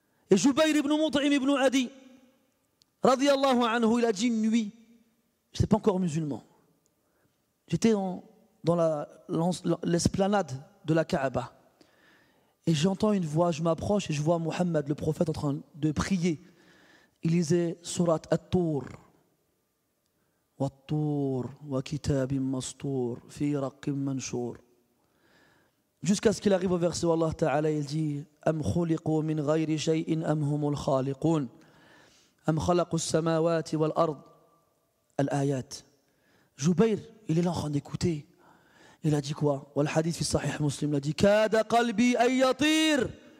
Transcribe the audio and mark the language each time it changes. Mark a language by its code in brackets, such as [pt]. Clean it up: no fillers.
[fr] Et Jubayr ibn Mut'im ibn Adi, radiallahu anhu, il a dit une nuit: je n'étais pas encore musulman. J'étais dans l'esplanade de la Kaaba. Et j'entends une voix, je m'approche et je vois Muhammad, le prophète, en train de prier. Il lisait Surat At-Tur. [ar] والطور وكتاب مسطور في رق منشور. Jusqu'à ce qu'il arrive au verset où Allah Ta'ala il dit: أم خلقوا من غير شيء أم هم الخالقون أم خلقوا السماوات والأرض الآيات. [fr] Jubayr, il est là en train d'écouter. Il a dit quoi? [ar] والحديث في الصحيح مسلم, il a dit: كاد قلبي أن يطير.